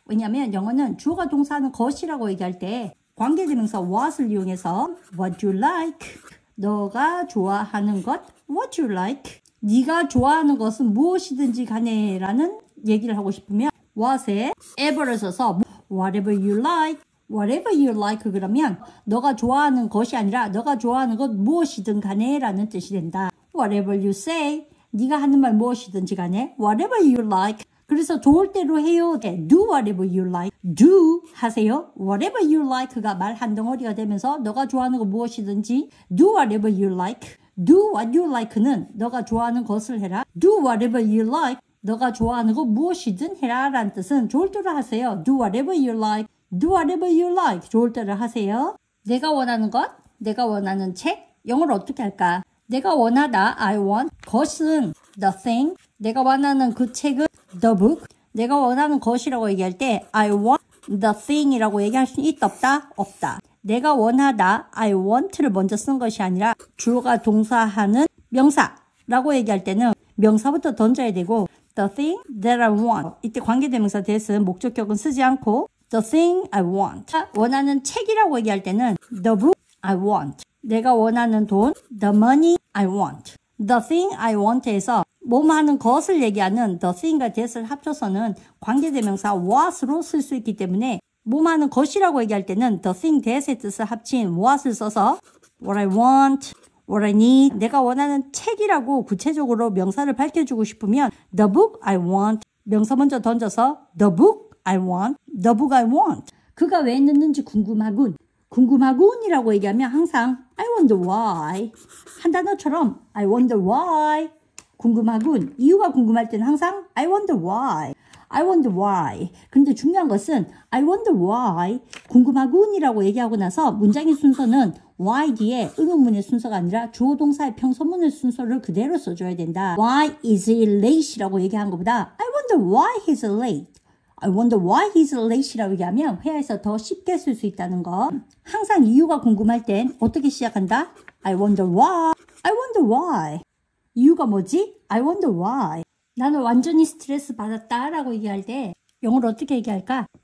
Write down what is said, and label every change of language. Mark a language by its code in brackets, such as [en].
[ko] 왜냐하면 영어는 주어가 동사하는 것이라고 얘기할 때 관계대명사 what을 이용해서 [en] what you like, [ko] 너가 좋아하는 것, what you like. 네가 좋아하는 것은 무엇이든지 간에 라는 얘기를 하고 싶으면 what에 ever를 써서 [en] whatever you like. Whatever you like, [ko] 그러면 너가 좋아하는 것이 아니라 너가 좋아하는 것 무엇이든 간에 라는 뜻이 된다. [en] Whatever you say, [ko] 네가 하는 말 무엇이든지 간에 [en] whatever you like. [ko] 그래서 좋을 대로 해요. [en] Do whatever you like. [ko] Do 하세요. [en] Whatever you like [ko] 가 말 한 덩어리가 되면서 너가 좋아하는 것 무엇이든지 [en] do whatever you like. Do what you like [ko] 는 너가 좋아하는 것을 해라. [en] Do whatever you like. [ko] 너가 좋아하는 것 무엇이든 해라 라는 뜻은 좋을 대로 하세요. [en] Do whatever you like. Do whatever you like. [ko] 좋을 대로 하세요. 내가 원하는 것, 내가 원하는 책, 영어로 어떻게 할까? 내가 원하다, I want, 것은 the thing, 내가 원하는 그 책은 the book, 내가 원하는 것이라고 얘기할 때 [en] I want the thing [ko] 이라고 얘기할 수 있다, 없다? 없다. 내가 원하다, I want를 먼저 쓴 것이 아니라 주어가 동사하는 명사라고 얘기할 때는 명사부터 던져야 되고 [en] the thing that I want, [ko] 이때 관계대명사 대신 목적격은 쓰지 않고 [en] The thing I want. [ko] 원하는 책이라고 얘기할 때는 The book I want. 내가 원하는 돈 [en] The money I want. [ko] The thing I want에서 뭐하는 것을 얘기하는 The thing과 that을 합쳐서는 관계대명사 what으로 쓸 수 있기 때문에 뭐하는 것이라고 얘기할 때는 The thing that의 뜻을 합친 what을 써서 [en] What I want, what I need. [ko] 내가 원하는 책이라고 구체적으로 명사를 밝혀주고 싶으면 [en] The book I want. [ko] 명사 먼저 던져서 [en] The book I want, the book I want. [ko] 그가 왜 늦는지 궁금하군. 궁금하군이라고 얘기하면 항상 [en] I wonder why. [ko] 한 단어처럼 [en] I wonder why. [ko] 궁금하군. 이유가 궁금할 때는 항상 [en] I wonder why. I wonder why. [ko] 근데 중요한 것은 [en] I wonder why. [ko] 궁금하군이라고 얘기하고 나서 문장의 순서는 why 뒤에 응용문의 순서가 아니라 주어동사의 평소문의 순서를 그대로 써줘야 된다. [en] Why is it late? [ko] 라고 얘기한 것보다 [en] I wonder why he's late. I wonder why he's late [ko] 라고 얘기하면 회화에서 더 쉽게 쓸 수 있다는 거. 항상 이유가 궁금할 땐 어떻게 시작한다? [en] I wonder why. I wonder why. [ko] 이유가 뭐지? [en] I wonder why. [ko] 나는 완전히 스트레스 받았다 라고 얘기할 때 영어로 어떻게 얘기할까?